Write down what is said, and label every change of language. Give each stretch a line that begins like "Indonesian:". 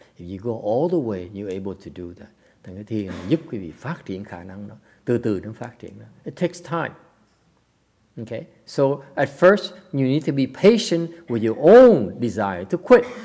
English: If you go all the way, you're able to do that.
Vietnamese: Thành cái thiền giúp quý vị phát triển khả năng đó. Từ từ nó phát triển đó.
English: It takes time. Okay? So at first, you need to be patient with your own desire to quit.